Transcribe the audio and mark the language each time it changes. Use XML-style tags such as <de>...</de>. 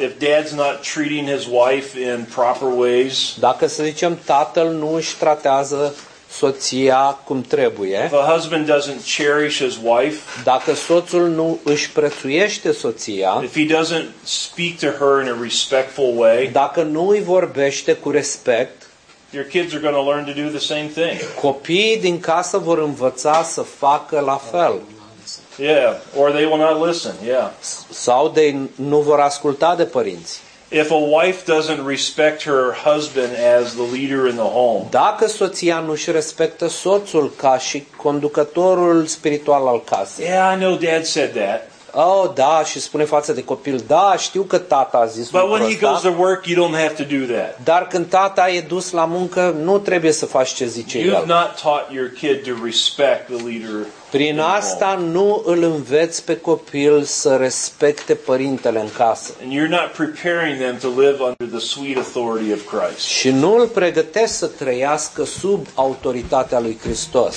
<en>if dad's not treating his wife in proper ways,</en> <ro>dacă, să zicem, tatăl nu își tratează soția cum trebuie,</ro> <en>if a husband doesn't cherish his wife,</en> <ro>dacă soțul nu își prețuiește soția,</ro> <en>if he doesn't speak to her in a respectful way,</en> <ro>dacă nu îi vorbește cu respect,</ro> <en>your kids are going to learn to do the same thing.</en> <ro>Copiii din casă vor învăța să facă la fel.</ro> <en>Yeah, or they will not listen. Yeah.</en> <ro>Sau ei nu vor asculta de părinți.</ro> <en>If a wife doesn't respect her husband as the leader in the home.</en> <ro>Dacă soția nu își respectă soțul ca și conducătorul spiritual al casei.</ro> <en>Yeah, I know dad said that.</en> <ro>Oh, da, și spune față de copil, da, știu că tata a zis lucrul ăsta.</ro> <en>But when he goes to work, you don't have to do that.</en> <ro>Dar când tata e dus la muncă, nu trebuie să faci ce zice el.</ro> <en>You've not taught your kid to respect the leader.</en> <ro>Prin asta nu îl înveți pe copil să respecte părintele în casă.</ro> <en>And you're not preparing them to live under the sweet authority of Christ.</en> <ro>Și nu îl pregătesc să trăiască sub autoritatea lui Hristos.</ro>